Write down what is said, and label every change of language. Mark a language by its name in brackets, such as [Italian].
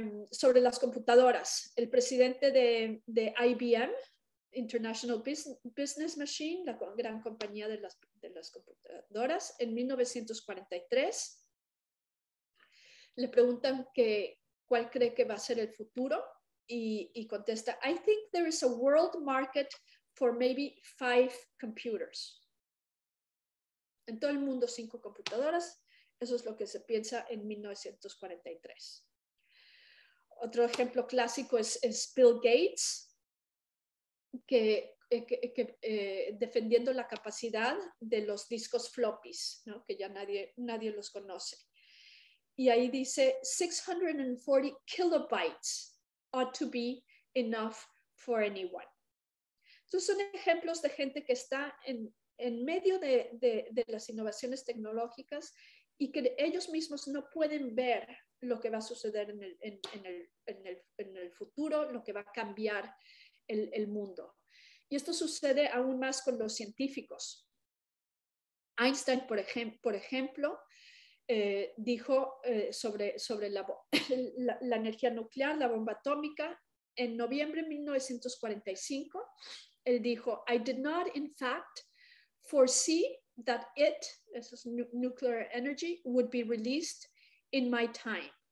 [Spanish] Sobre las computadoras, el presidente de IBM, International Business Machine, la gran compañía de las computadoras, en 1943, le preguntan que cuál cree que va a ser el futuro. Y contesta, [English] I think there is a world market for maybe 5 computers. [Spanish] En todo el mundo 5 computadoras, eso es lo que se piensa en 1943. Otro ejemplo clásico es Bill Gates, que defendiendo la capacidad de los discos floppies, ¿no? Que ya nadie los conoce. Y ahí dice 640 kilobytes. [English] Ought to be enough for anyone. [Spanish] Estos son ejemplos de gente que está en medio de las innovaciones tecnológicas y que ellos mismos no pueden ver lo que va a suceder en el futuro, lo que va a cambiar el mundo. Y esto sucede aún más con los científicos. Einstein, por ejemplo, dijo sobre la energía nuclear, la bomba atómica, en noviembre de 1945. Él dijo, [English] I did not in fact foresee that it, [Spanish] eso es [English] nuclear energy, would be released in my time.